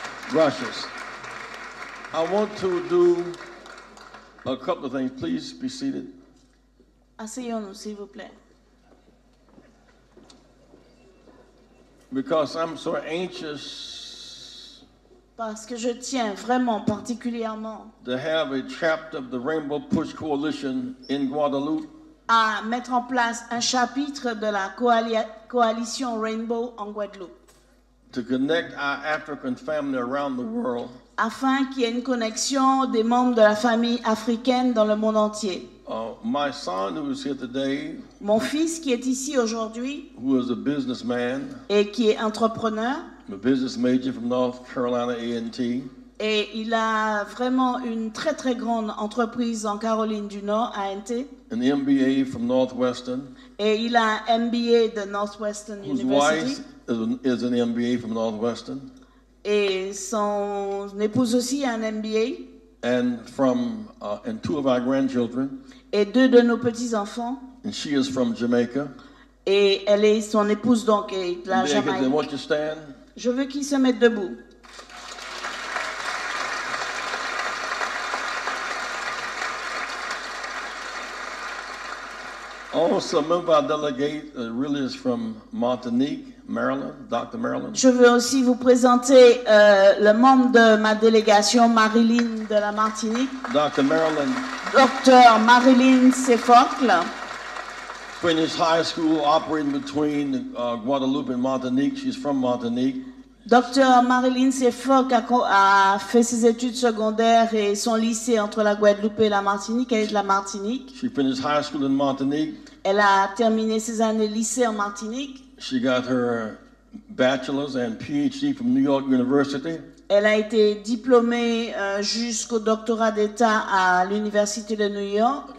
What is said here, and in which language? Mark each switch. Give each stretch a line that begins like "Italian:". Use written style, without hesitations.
Spanish: Gracias.
English: I want to do a couple of things. Please be seated.
French: Asseyons-nous, s'il vous plaît.
English: Because I'm so anxious.
French: Parce que je tiens vraiment particulièrement.
English: To have a chapter of the Rainbow Push Coalition in Guadeloupe.
French: À mettre en place un chapitre de la coalition Rainbow en Guadeloupe.
English: To connect our African family around the world.
French: Afin qu'il y ait une connexion des membres de la famille africaine dans le monde entier.
English: My son who is here today.
French: Mon fils qui est ici aujourd'hui.
English: Who is a businessman.
French: Et qui est entrepreneur.
English: A business major from North Carolina A&T.
French: Et il a vraiment une très très grande entreprise en Caroline du Nord, A&T.
English: An MBA from Northwestern.
French: Et il a un MBA de Northwestern
English: whose University. Wife is an MBA from Northwestern.
French: Et son épouse aussi a un MBA.
English: And from and two of our grandchildren.
French: Et deux de nos petits enfants.
English: And she is from Jamaica.
French: Et elle est son épouse donc est de la Jamaïque.
English: Then won't you stand?
French: Je veux qu'ils se mettent debout.
English: Also, a member of our delegate really is from Martinique. Marilyn, Dr. Marilyn.
French: Je veux aussi vous présenter le membre de ma délégation, Marilyn de la Martinique.
English: Dr. Marilyn. Dr. Marilyn Sefocle. Finished high school operating between Guadeloupe and Martinique. She's from Martinique.
French: Docteur Marilyn Sefok a fait ses études secondaires et son lycée entre la Guadeloupe et la Martinique. Elle est de la Martinique.
English: She finished high school in Martinique.
French: Elle a terminé ses années lycée en Martinique.
English: She got her bachelor's and PhD from New York University.
French: Elle a été diplômée jusqu'au doctorat d'État à l'Université de New York.